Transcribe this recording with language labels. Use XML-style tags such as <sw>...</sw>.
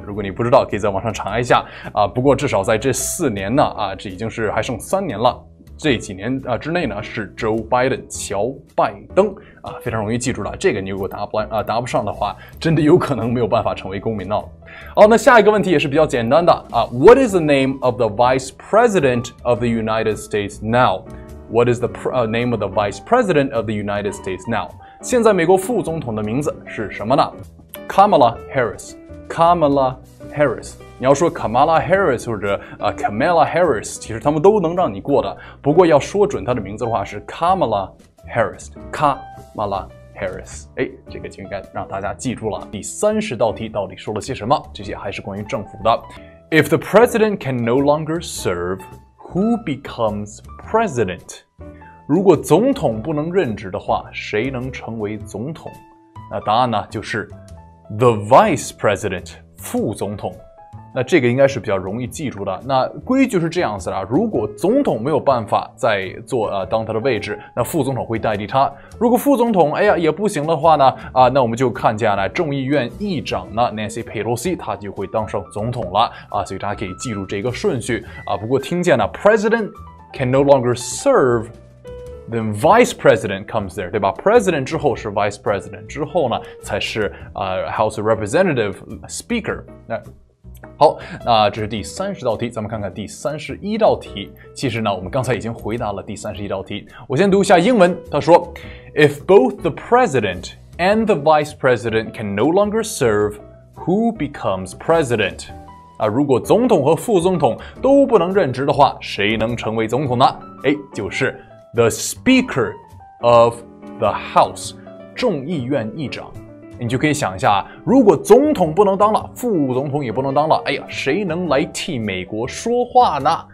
<zh>如果你不知道，可以在网上查一下啊。不过至少在这四年呢啊，这已经是还剩三年了。这几年啊之内呢，是 Joe Biden， 乔拜登啊，非常容易记住了。这个你如果答不上的话，真的有可能没有办法成为公民了。好，那下一个问题也是比较简单的啊。</zh> <en>What is the name of the Vice President of the United States now？ What is the name of the Vice President of the United States now？</en> <zh>现在美国副总统的名字是什么呢 ？Kamala Harris。 Kamala Harris， 你要说 Kamala Harris 或者Kamala Harris， 其实他们都能让你过的。不过要说准他的名字的话，是 Kamala Harris， Kamala Harris。哎，这个就应该让大家记住了。第三十道题到底说了些什么？这些还是关于政府的。</zh> <en>If the president can no longer serve, who becomes president？</en> <zh>如果总统不能任职的话，谁能成为总统？那答案呢，就是。The Vice President， 副总统，那这个应该是比较容易记住的。那规矩是这样子的，如果总统没有办法再做当他的位置，那副总统会代替他。如果副总统哎呀也不行的话呢，那我们就看见了众议院议长呢 Nancy Pelosi， 他就会当上总统了啊。所以大家可以记住这个顺序啊。</zh> <en>不过听见了 President can no longer serve。 Then Vice President comes there，对吧？President 之后是 Vice President，之后呢才是 House Representative Speaker。</en> <zh>那好，那这是第三十道题，咱们看看第三十一道题。其实呢，我们刚才已经回答了第三十一道题。我先读一下英文，他说 ： “If both the President and the Vice President can no longer serve, who becomes President？” 啊，如果总统和副总统都不能任职的话，谁能成为总统呢？哎，就是。The Speaker of the House， 众议院议长，你就可以想一下，如果总统不能当了，副总统也不能当了，哎呀，谁能来替美国说话呢？</zh>